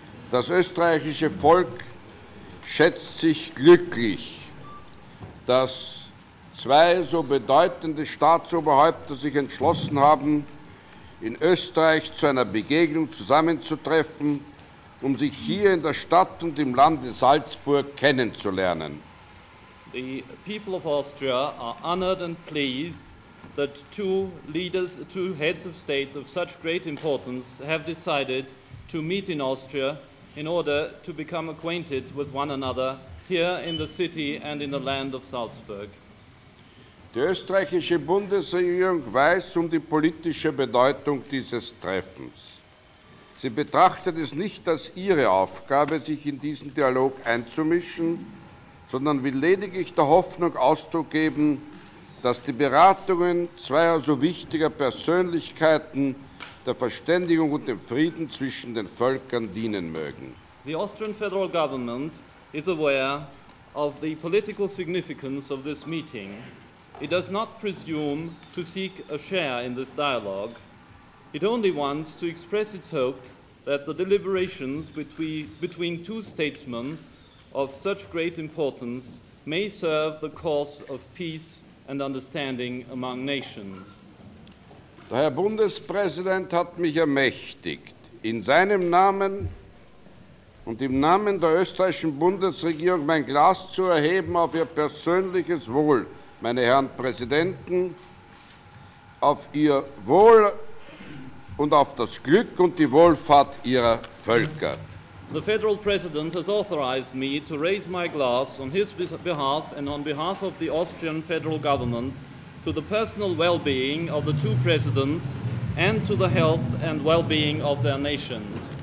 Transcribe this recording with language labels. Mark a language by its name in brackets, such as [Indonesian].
[German] Das österreichische Volk schätzt sich glücklich, dass zwei so bedeutende Staatsoberhäupter sich entschlossen haben, in Österreich zu einer Begegnung zusammenzutreffen, um sich hier in der Stadt und im Lande Salzburg kennenzulernen. [English] The people of Austria are honored and pleased that two heads of state of such great importance have decided to meet in Austria in order to become acquainted with one another here in the city and in the land of Salzburg. [German] Die österreichische Bundesregierung weiß um die politische Bedeutung dieses Treffens. Sie betrachtet es nicht als ihre Aufgabe, sich in diesen Dialog einzumischen, sondern will lediglich der Hoffnung Ausdruck geben, dass die Beratungen zweier so wichtiger Persönlichkeiten der Verständigung und dem Frieden zwischen den Völkern dienen mögen. [English] The Austrian federal government is aware of the political significance of this meeting. It does not presume to seek a share in this dialogue. It only wants to express its hope that the deliberations between two statesmen of such great importance may serve the cause of peace and understanding among nations. [German] Der Herr Bundespräsident hat mich ermächtigt, in seinem Namen und im Namen der österreichischen Bundesregierung mein Glas zu erheben auf Ihr persönliches Wohl, meine Herren Präsidenten, auf Ihr Wohl und auf das Glück und die Wohlfahrt Ihrer Völker. [English] The federal president has authorized me to raise my glass on his behalf and on behalf of the Austrian federal government to the personal well-being of the two presidents and to the health and well-being of their nations.